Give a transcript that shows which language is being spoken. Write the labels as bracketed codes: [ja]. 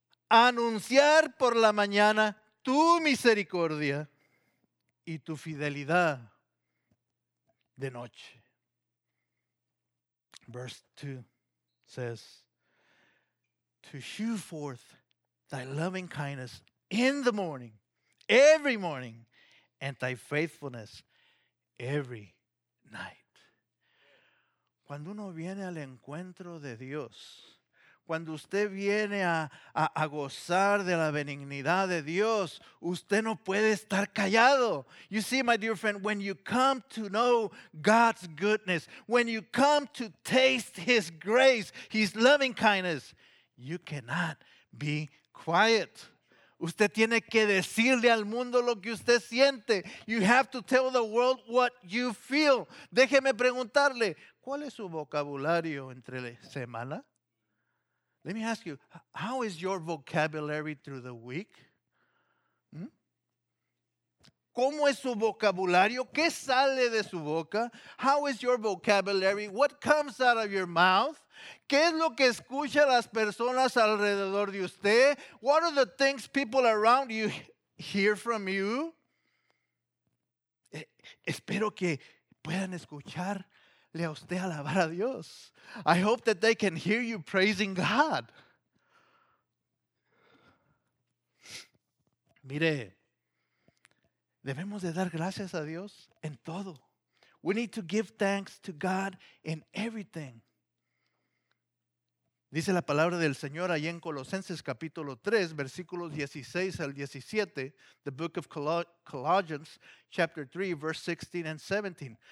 [es] Anunciar por la mañana tu misericordia y tu fidelidad de noche. [en] Verse 2 says, to shew forth thy loving kindness in the morning, every morning, and thy faithfulness every night. [es] Cuando uno viene al encuentro de Dios, cuando usted viene a gozar de la benignidad de Dios, usted no puede estar callado. [en] You see, my dear friend, when you come to know God's goodness, when you come to taste His grace, His loving kindness, you cannot be quiet. [es] Usted tiene que decirle al mundo lo que usted siente. [en] You have to tell the world what you feel. [es] Déjeme preguntarle, ¿cuál es su vocabulario entre semana? [en] Let me ask you, how is your vocabulary through the week? [es] ¿Cómo es su vocabulario? ¿Qué sale de su boca? [en] How is your vocabulary? What comes out of your mouth? [es] ¿Qué es lo que escucha las personas alrededor de usted? [en] What are the things people around you hear from you? [es] Espero que puedan escucharle a usted alabar a Dios. [en] I hope that they can hear you praising God. [es] Mire, debemos de dar gracias a Dios en todo. [en] We need to give thanks to God in everything. [es] Dice la palabra del Señor ahí en Colosenses capítulo 3, versículos 16 al 17. [en] The book of Colossians, chapter 3, verse 16 and 17.